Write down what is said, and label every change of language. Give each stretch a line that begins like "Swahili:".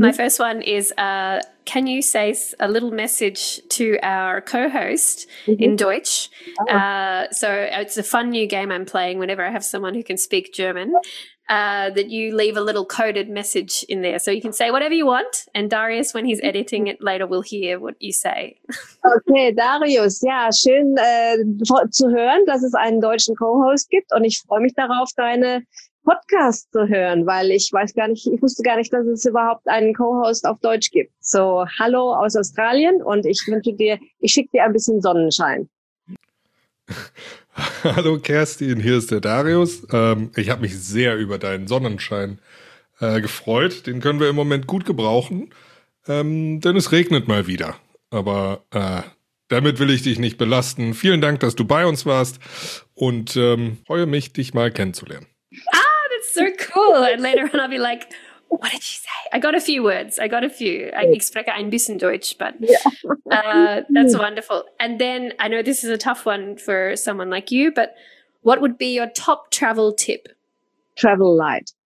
English: My first one is, can you say a little message to our co-host in Deutsch? So it's a fun new game I'm playing whenever I have someone who can speak German, that you leave a little coded message in there. So you can say whatever you want, and Darius, when he's editing it later, will hear what you say.
German: Okay, Darius, ja, schön zu hören, dass es einen deutschen Co-Host gibt, und ich freue mich darauf, deine Podcast zu hören, weil ich wusste gar nicht, dass es überhaupt einen Co-Host auf Deutsch gibt. So, hallo aus Australien, und ich schicke dir ein bisschen Sonnenschein. Hallo Kerstin, hier ist der Darius. Ich habe mich sehr über deinen Sonnenschein gefreut. Den können wir im Moment gut gebrauchen, denn es regnet mal wieder. Aber damit will ich dich nicht belasten. Vielen Dank, dass du bei uns warst, und freue mich, dich mal kennenzulernen.
English: Ah, that's so cool. And later on I'll be like, what did you say? I got a few words. I expect
German: ein bisschen Deutsch,
English: but that's wonderful. And then I know this is a tough one for someone like you, but what would be your top travel tip? Travel light.